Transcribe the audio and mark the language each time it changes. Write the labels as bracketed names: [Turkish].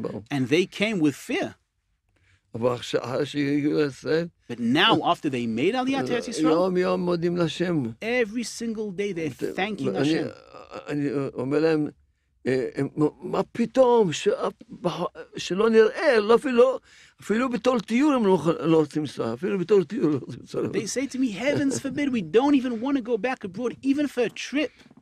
[English] And they came with fear. But now, after they made Aliyah to Yisrael, every single day they're thanking Hashem. [Hebrew] מה פתאום שלא נראה, אפילו בתור טיול הם לא רוצים לנסוע, אפילו בתור טיול לא רוצים לנסוע. [English] They say to me, heavens forbid, we don't even want to go back abroad, even for a trip.